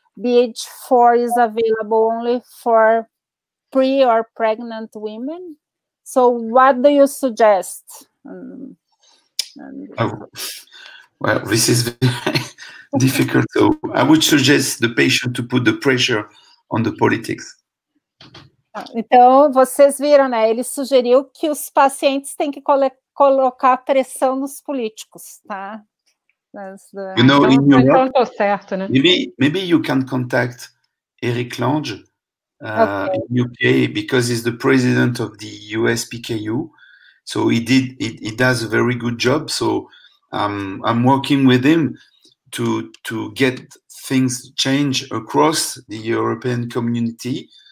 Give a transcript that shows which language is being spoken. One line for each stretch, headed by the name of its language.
English: BH4 is available only for pre or pregnant women. So what do you suggest? Well, this is very difficult. So I would suggest the patient to put the pressure on the politics.
Portuguese: Então, vocês viram, né? Ele sugeriu que os pacientes têm que colocar pressão nos políticos, tá?
English: You know,
Portuguese: então,
English: in Europe,
Portuguese: então tô certo, né?
English: Maybe you can contact Eric Lange in UK, because he's the president of the US PKU. So he does a very good job. So I'm working with him to get things change across the European community.